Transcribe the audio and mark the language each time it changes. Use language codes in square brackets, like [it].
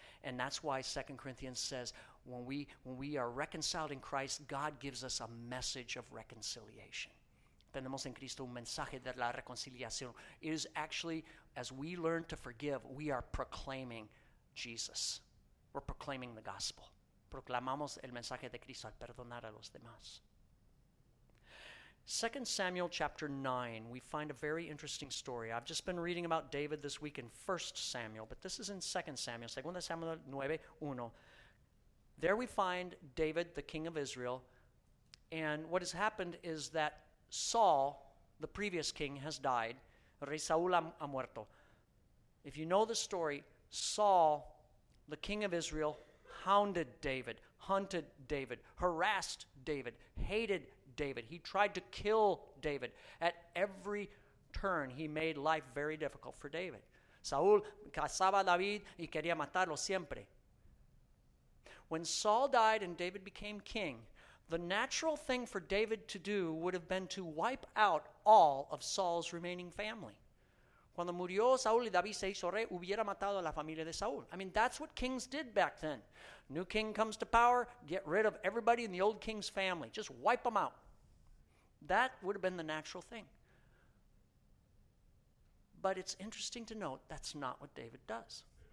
[en] And that's why 2 Corinthians says, when we are reconciled in Christ, God gives us a message of reconciliation. [es] Tenemos en Cristo un mensaje de la reconciliación. [en] It is actually, as we learn to forgive, we are proclaiming Jesus. We're proclaiming the gospel. [es] Proclamamos el mensaje de Cristo al perdonar a los demás. [en] 2 Samuel chapter 9, we find a very interesting story. I've just been reading about David this week in 1 Samuel, but this is in 2 Samuel, 2 Samuel 9, 1. There we find David, the king of Israel, and what has happened is that Saul, the previous king, has died. [es] Rey Saul ha muerto. [en] If you know the story, Saul, the king of Israel, hounded David, hunted David, harassed David, hated David. He tried to kill David. At every turn, he made life very difficult for David. [es] Saul cazaba a David y quería matarlo siempre. [en] When Saul died and David became king, the natural thing for David to do would have been to wipe out all of Saul's remaining family. [es] Cuando murió Saúl y David se hizo rey, hubiera matado a la familia de Saúl. [en] I mean, that's what kings did back then. New king comes to power, get rid of everybody in the old king's family. Just wipe them out. That would have been the natural thing. But it's interesting to note that's not what David does.